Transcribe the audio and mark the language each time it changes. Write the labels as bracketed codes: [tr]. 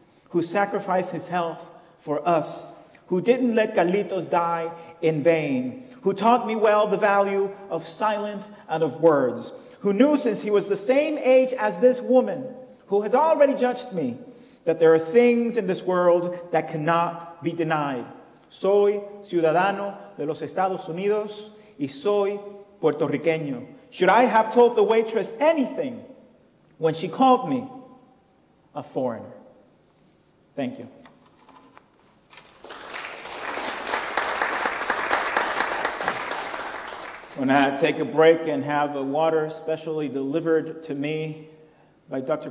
[en] who sacrificed his health for us, who didn't let Carlitos die in vain, who taught me well the value of silence and of words, who knew since he was the same age as this woman, who has already judged me, that there are things in this world that cannot be denied. [es] Soy ciudadano de los Estados Unidos y soy puertorriqueño. [en] Should I have told the waitress anything when she called me a foreigner? Thank you. When I take a break and have a water specially delivered to me by Dr.